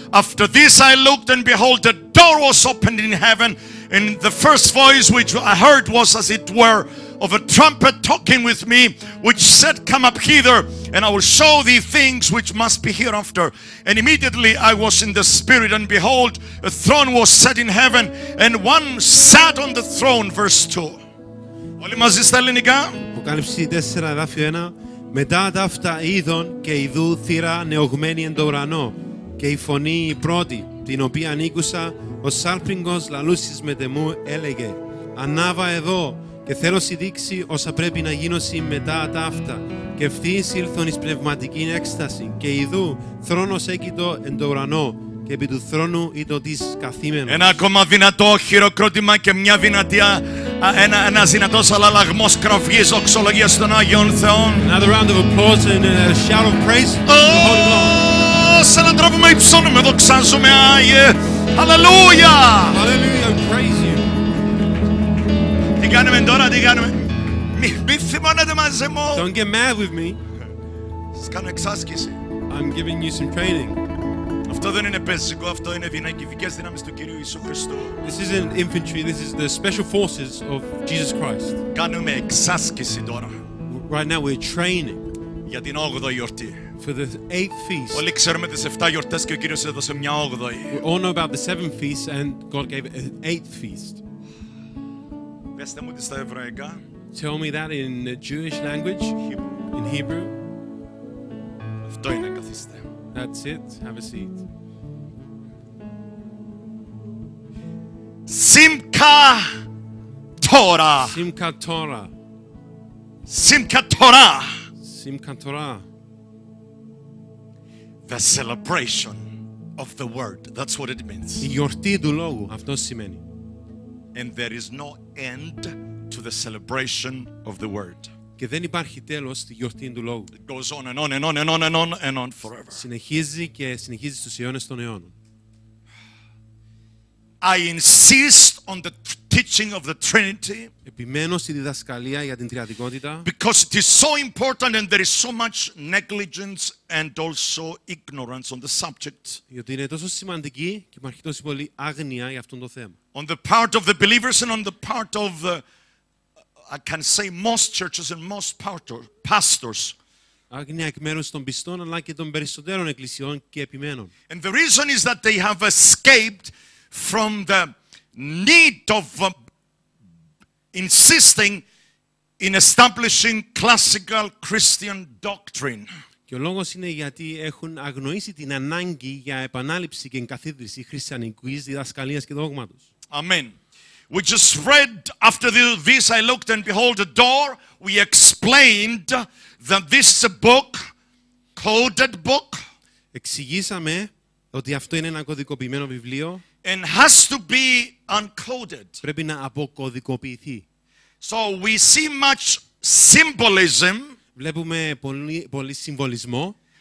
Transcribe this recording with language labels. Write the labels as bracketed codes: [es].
[en] After this I looked and behold the door was opened in heaven, and the first voice which I heard was as it were of a trumpet talking with me, which said, come up hither, and I will show thee things which must be hereafter. And immediately I was in the spirit, and behold, a throne was set in heaven, and one sat on the throne. Verse 2. [el] Όλοι μαζί στα ελληνικά. Αποκάλυψη 4, εδάφιο 1. Μετά τα αυτά είδων και ειδού θύρα νεογμένη εν το ουρανό, και η φωνή η πρώτη, την οποία ανήκουσα, ο σάρπιγγος λαλούσης με τεμού έλεγε, ανάβα εδώ, και θέλω σι δείξει όσα πρέπει να γίνωσι μετά τα αυτά. Και ευθύς ήλθον εις πνευματική έκσταση, και ειδού θρόνος έκειτο εν το ουρανό, και επί του θρόνου ήταν της καθήμενος. Ένα ακόμα δυνατό χειροκρότημα και μια δυνατή, ένα δυνατός αλλαγμός κραυγής οξολογίας των Άγιων Θεών. [en] Another round of applause and a shout of praise to the Holy Lord. [el] Σε έναν τρόπο με υψώνουμε, δοξάζουμε, Άγιε. Αλληλούια! [en] Αλληλούια, I praise you. [el] Τι κάνουμε τώρα, τι κάνουμε. Μη θυμώνετε μαζί μου. [en] Don't get mad with me. [el] Σας κάνω εξάσκηση. [en] I'm giving you some training. [el] Αυτό δεν είναι πεζικό, αυτό είναι δυναμικές δυνάμεις του Κυρίου Ιησού Χριστού. [en] This isn't infantry, this is the special forces of Jesus Christ. [el] Κάνουμε εξάσκηση τώρα. [en] Right now we're training. [el] Για την 8η γιορτή. [en] For the 8th feast. [el] Όλοι ξέρουμε τις 7 γιορτές και ο Κύριος έδωσε μια 8η. [en] We all know about the 7th feast and God gave an 8th feast. [el] Πέστε μου τι στα εβραϊκά. [en] Tell me that in the Jewish language. Hebrew. In Hebrew. [el] Αυτό είναι, καθίστε. [en] That's it. Have a seat. Simcha Torah. Simcha Torah. Simcha Torah. Simcha Torah. The celebration of the word. That's what it means. [el] Η γιορτή του λόγου. Αυτό σημαίνει. [en] And there is no end to the celebration of the word. [el] Και δεν υπάρχει τέλος στη γιορτή του λόγου. [en] It goes on and on and on and on and on and on forever. [el] Συνεχίζει και συνεχίζει στους αιώνες των αιώνων. [en] I insist on the teaching of the Trinity. [el] Επιμένω στη διδασκαλία για την τριαδικότητα. [en] Because it is so important and there is so much negligence and also ignorance on the subject. [el] Γιατί είναι τόσο σημαντική και υπάρχει τόσο πολύ άγνοια για αυτό το θέμα. [en] On the part of the believers and on the part of the I can say most churches and most pastors. [el] Άγνοια εκ μέρους των πιστών, αλλά και των περισσότερων εκκλησιών και επιμένων. [en] And the reason is that they have escaped from the need of insisting in establishing classical Christian doctrine. [el] Και ο λόγος είναι γιατί έχουν αγνοήσει την ανάγκη για επανάληψη και εγκαθίδρυση χριστιανικής διδασκαλίας και δόγματος. [en] Amen. We just read, after this I looked and behold a door. We explained that this is a book, coded book. [el] Εξηγήσαμε ότι αυτό είναι ένα κωδικοποιημένο βιβλίο. [en] And has to be uncoded. [el] Πρέπει να αποκωδικοποιηθεί. [en] So we see much symbolism. [el] Βλέπουμε πολύ συμβολισμό.